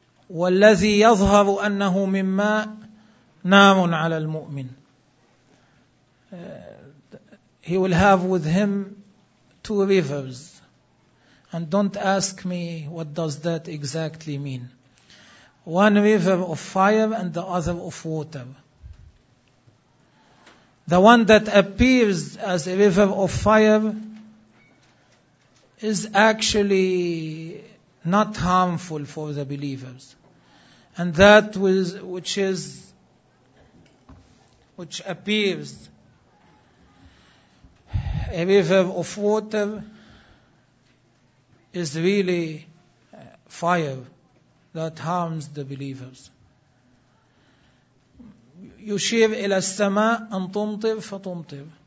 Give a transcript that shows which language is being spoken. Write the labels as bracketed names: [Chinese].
[Arabic] والذي يظهر أنه من ماء نار على المؤمن. [English] He will have with him two rivers. And don't ask me what does that exactly mean. One river of fire and the other of water. The one that appears as a river of fire is actually not harmful for the believers. And that which appears a river of water is really fire that harms the believers. [Arabic] يشير إلى السماء أن تمطر فتمطر.